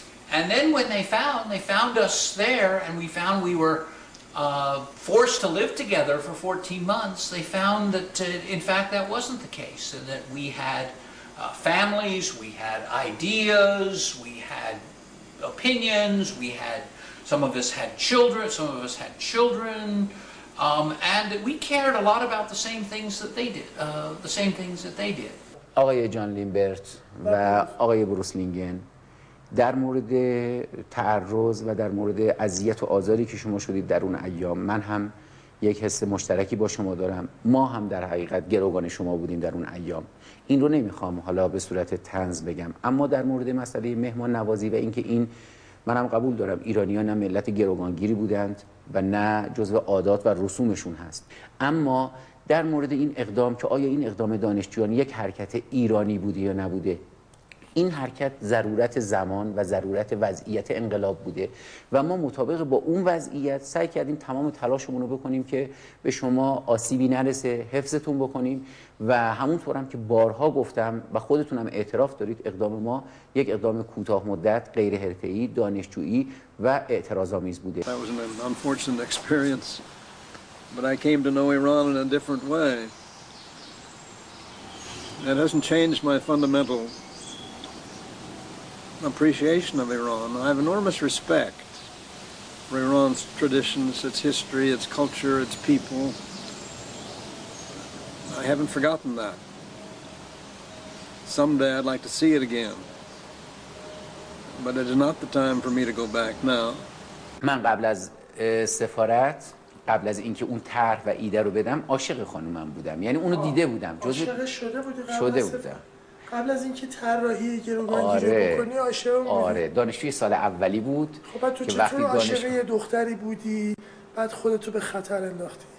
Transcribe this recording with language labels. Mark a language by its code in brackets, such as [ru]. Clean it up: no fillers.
[en] And then when they found us there, and we found we were forced to live together for 14 months, they found that, in fact, that wasn't the case, and that we had families, we had ideas, we had opinions, we had, some of us had children, and that we cared a lot about the same things that they did, [fa] آقای جان لیمبرت و آقای بروس لینگن در مورد تعرض و در مورد اذیت و آزاری که شما شدید در اون ایام، من هم یک حس مشترکی با شما دارم. ما هم در حقیقت گروگان شما بودیم در اون ایام. این رو نمیخوام حالا به صورت طنز بگم، اما در مورد مسئله مهمان نوازی و اینکه این، من هم قبول دارم ایرانیان نه ملت گروگانگیری بودند و نه جزء عادات و رسومشون هست، اما در مورد این اقدام که آیا این اقدام دانشجویان یک حرکت ایرانی بوده یا نبوده، این حرکت ضرورت زمان و ضرورت وضعیت انقلاب بوده و ما مطابق با اون وضعیت سعی کردیم تمام تلاشمون رو بکنیم که به شما آسیبی نرسه، حفظتون بکنیم و همونطور هم که بارها گفتم و خودتون هم اعتراف دارید، اقدام ما یک اقدام کوتاه مدت، غیر حرفه‌ای، دانشجویی و اعتراض آمیز بوده. [en] That was an unfortunate experience, but I came to know Iran in a different way. That hasn't changed my fundamental appreciation of Iran. I have enormous respect for Iran's traditions, its history, its culture, its people. I haven't forgotten that. Someday I'd like to see it again. But it is not the time for me to go back now. [fa] من قبل از سفارت، قبل از اینکه اون طرح و ایده رو بدم، عاشق خانومم بودم. یعنی اونو دیده بودم. عاشق شده بودم. قبل از اینکه طراحی گروگانگیری بکنی عاشق اون بودی؟ آره، دانشجوی سال اولی بود. خب بعد تو چطور عاشق یه دختری بودی بعد خودتو به خطر انداختی؟